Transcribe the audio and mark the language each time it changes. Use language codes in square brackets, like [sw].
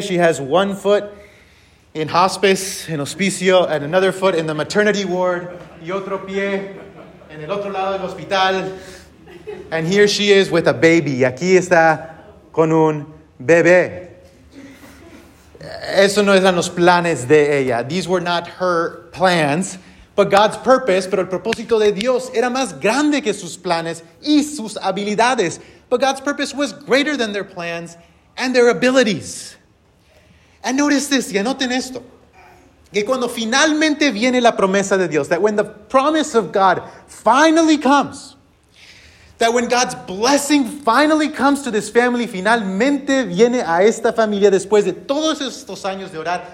[en] She has one foot in hospice, in hospicio, and another foot in the maternity ward. [es] Y otro pie en el otro lado del hospital. [en] And here she is with a baby. [es] Aquí está con un bebé. Eso no eran los planes de ella. [en] These were not her plans. But God's purpose, [es] pero el propósito de Dios era más grande que sus planes y sus habilidades. [en] But God's purpose was greater than their plans and their abilities. And notice this, [es] y anoten esto. Que cuando finalmente viene la promesa de Dios, [en] that when the promise of God finally comes, that when God's blessing finally comes to this family, [es] finalmente viene a esta familia después de todos estos años de orar,